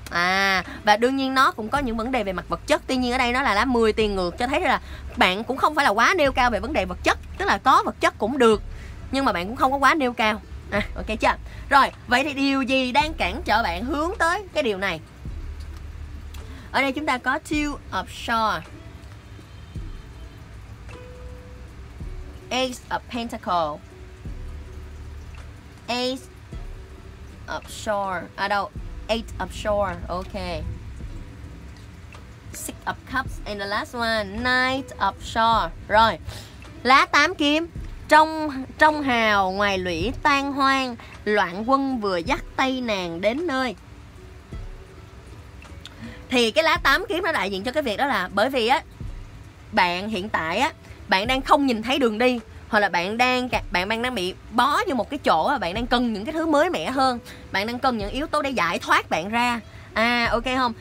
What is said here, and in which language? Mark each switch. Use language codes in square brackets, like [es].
[vi] À, và đương nhiên nó cũng có những vấn đề về mặt vật chất, tuy nhiên ở đây nó là lá 10 tiền ngược cho thấy là bạn cũng không phải là quá nêu cao về vấn đề vật chất, tức là có vật chất cũng được nhưng mà bạn cũng không có quá nêu cao. À, ok chưa? Rồi, vậy thì điều gì đang cản trở bạn hướng tới cái điều này? Ở đây chúng ta có [en] two of swords, ace of pentacle, ace of swords, eight of swords, ok, six of cups, and the last one, knight of swords. [vi] Rồi, lá tám kiếm. Trong hào ngoài lũy tan hoang, loạn quân vừa dắt tay nàng đến nơi. Thì cái lá tám kiếm nó đại diện cho cái việc đó là bởi vì á, bạn hiện tại á, bạn đang không nhìn thấy đường đi, hoặc là bạn đang bị bó vô một cái chỗ, bạn đang cần những cái thứ mới mẻ hơn, bạn đang cần những yếu tố để giải thoát bạn ra. À, ok không?